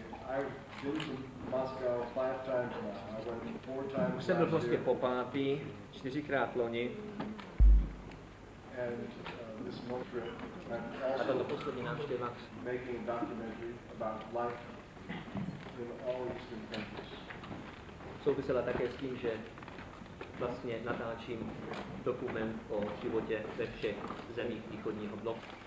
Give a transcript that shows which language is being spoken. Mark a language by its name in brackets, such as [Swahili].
[English] I have been to Moscow 5 times now. I went 4 times last year. [Czech] Jsem byl prostě po pátý, 4x loni. [English] And this more trip. [Czech] A to poslední návštěva. [English] Making a documentary about life in all Eastern countries. [Czech] Souvisela také s tím, že vlastně natáčím dokument o životě ve všech zemích východního bloku.